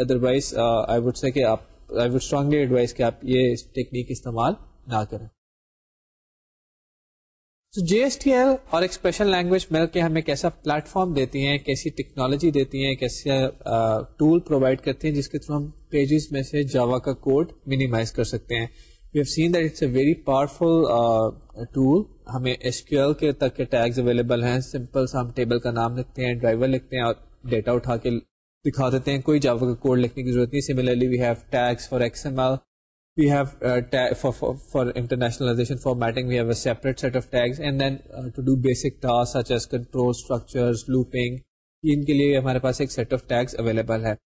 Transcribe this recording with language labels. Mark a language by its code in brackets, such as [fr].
[en] otherwise I would strongly advise [ur] کہ آپ یہ ٹیکنیک استعمال نہ کریں. تو جی ایس ٹی ایل اور ایکسپریشن لینگویج مل کے ہمیں کیسا پلیٹ فارم دیتی ہیں, کیسی ٹیکنالوجی دیتی ہیں, کیسے ٹول پرووائڈ کرتی ہیں جس کے تھرو ہم پیجز میں سے جاوا کا کوڈ مینیمائز کر سکتے ہیں. [en] We have seen that it's a very powerful tool. [ur] ہمیں ایس کیو ایل کے تک کے ٹیگز اویلیبل ہیں, سمپل سا ہم ٹیبل کا نام لکھتے ہیں, ڈرائیور لکھتے ہیں اور ڈیٹا اٹھا کے دکھا دیتے ہیں, کوئی جاوا کا کوڈ لکھنے کی ضرورت نہیں. [en] similarly we have tags for X M L, we have for internationalization formatting we have a separate set of tags, and then to do basic tasks such as control structures, looping, [ur] ان کے لیے ہمارے پاس ایک set of tags available ہے.